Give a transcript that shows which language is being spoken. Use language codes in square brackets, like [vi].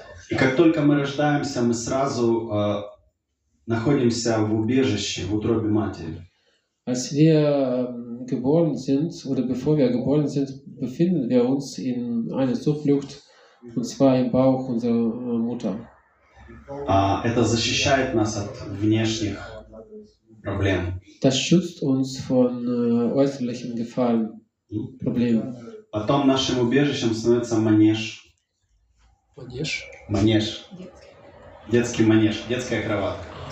[ru] И как только мы рождаемся, мы сразу находимся в убежище, в утробе матери. [de] Als wir geboren sind oder bevor wir geboren sind, befinden wir uns in einer Zuflucht, und zwar im Bauch unserer Mutter. [ru] Это защищает нас от внешних проблем. [de] Das schützt uns von äußerlichen Gefahren, Problemen. [ru] Потом нашим убежищем становится манеж. Манеж? Манеж. Детский манеж, детская кроватка.